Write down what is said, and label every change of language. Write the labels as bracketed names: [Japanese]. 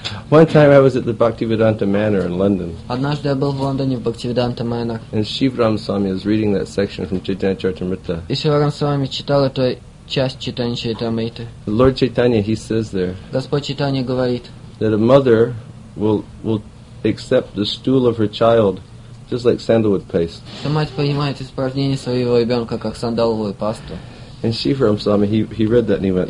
[English] One time I was at the Bhaktivedanta Manor in London. [Russian] Однажды я был в Лондоне в Бхактивиданта Манор. [English] And Shivaram Swami was reading that section from Chaitanya Charitamrita. [Russian] И Шиварам Свами читал эту часть Чайтаньи Чаритамриты. [English] Lord Chaitanya, he says there. [Russian] Господь Чайтанья говорит. [English] That a mother will accept the stool of her child just like sandalwood paste. [Russian] Что мать принимает испражнение своего ребенка как сандаловую пасту. [English] And Shivaram Swami, he read that and he went.